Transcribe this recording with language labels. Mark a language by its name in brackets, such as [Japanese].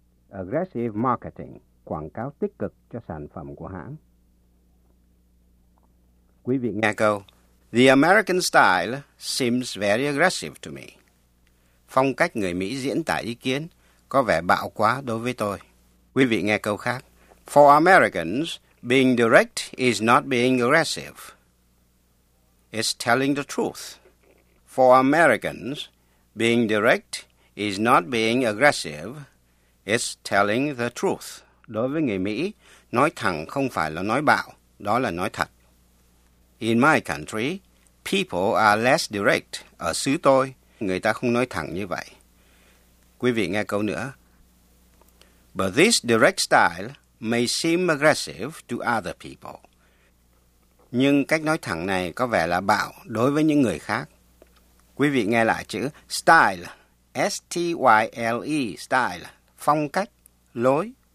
[English] Aggressive marketing, [Vietnamese] quảng cáo tích cực cho sản phẩm của hãng. Quý vị nghe câu: [English] The American style seems very aggressive to me. [Vietnamese] Phong cách người Mỹ diễn tả ý kiến có vẻ bạo quá đối với tôi. Quý vị nghe câu khác: [English] For Americans, being direct is not being aggressive. It's telling the truth. For Americans, being direct is not being aggressive. It's telling the truth. [Vietnamese] Đối với người Mỹ, nói thẳng không phải là nói bạo, đó là nói thật. [English] In my country, people are less direct. [Vietnamese] Ở xứ tôi, người ta không nói thẳng như vậy. Quý vị nghe câu nữa. [English] But this direct style may seem aggressive to other people. [Vietnamese] Nhưng cách nói thẳng này có vẻ là bạo đối với những người khác. Quý vị nghe lại chữ style, S-T-Y-L-E, style, phong cách, lối.